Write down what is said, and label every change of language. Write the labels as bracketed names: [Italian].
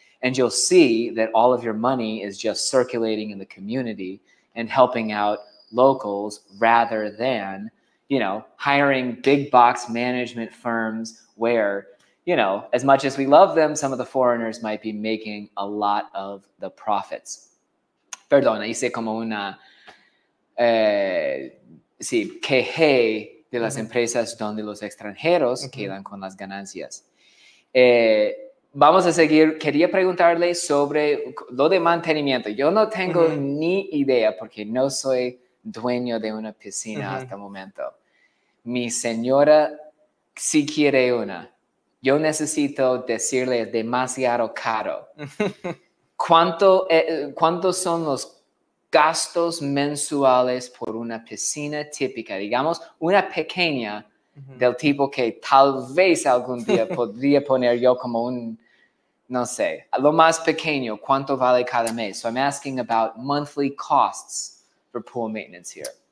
[English] And you'll see that all of your money is just circulating in the community and helping out locals rather than, you know, hiring big box management firms where, you know, as much as we love them, some of the foreigners might be making a lot of the profits. [Spanish] Perdona, hice como una, queje de las empresas donde los extranjeros quedan con las ganancias. Vamos a seguir. Quería preguntarle sobre lo de mantenimiento. Yo no tengo ni idea porque no soy dueño de una piscina hasta el momento. Mi señora sí quiere una. Yo necesito decirle, es demasiado caro. ¿Cuántos son los gastos mensuales por una piscina típica? Digamos, una pequeña del tipo que tal vez algún día podría poner yo como un, no sé, lo más pequeño, ¿cuánto vale cada mes? [English] So I'm asking about monthly costs for pool maintenance here.